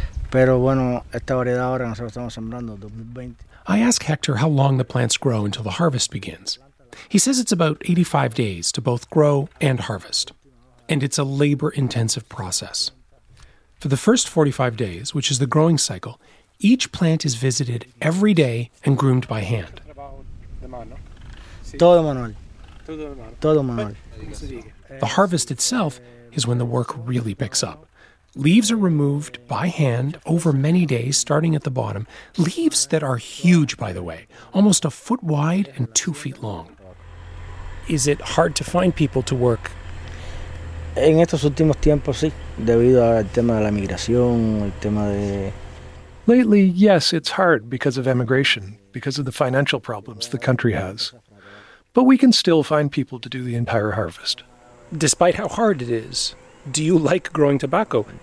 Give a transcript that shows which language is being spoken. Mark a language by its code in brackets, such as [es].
[es] Pero bueno, esta variedad ahora nosotros estamos sembrando 2020. [en] I ask Hector how long the plants grow until the harvest begins. He says it's about 85 days to both grow and harvest. And it's a labor-intensive process. For the first 45 days, which is the growing cycle, each plant is visited every day and groomed by hand. [es] Todo manual. Todo manual. [en] The harvest itself is when the work really picks up. Leaves are removed by hand over many days, starting at the bottom. Leaves that are huge, by the way, almost a foot wide and 2 feet long. Is it hard to find people to work? [es] En estos últimos tiempos, sí, debido al tema de la migración, el tema de... [en] Lately, yes, it's hard because of emigration, because of the financial problems the country has. But we can still find people to do the entire harvest. Despite how hard it is, do you like growing tobacco?